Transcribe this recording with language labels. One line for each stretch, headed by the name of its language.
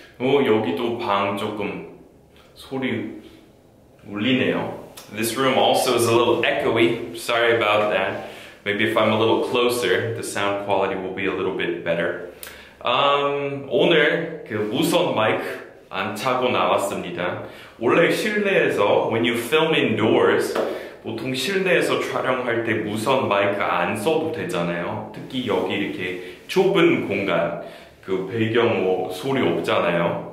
Korean: 여기도 방 조금 소리 울리네요.
English: This room also is a little echoey. Sorry about that. Maybe if I'm a little closer, the sound quality will be a little bit better.
Korean: 오늘 그 무선 마이크 안 차고 나왔습니다. 원래 실내에서
English: when you film indoors,
Korean: 보통 실내에서 촬영할 때 무선 마이크 안 써도 되잖아요. 특히 여기 이렇게 좁은 공간, 그 배경 뭐 소리 없잖아요.